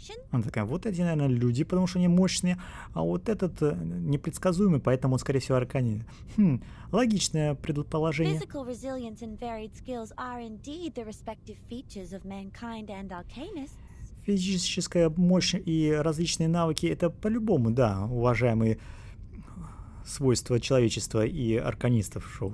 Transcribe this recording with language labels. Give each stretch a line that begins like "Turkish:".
Russian: Она такая, вот эти, наверное, люди, потому что они мощные, а вот этот непредсказуемый, поэтому он, скорее всего, арканист. Логичное предположение.
English: Physical resilience and varied skills are indeed the respective features of mankind and arcanists.
Russian: Физическая мощь и различные навыки — это по-любому, да, уважаемые свойства человечества и арканистов.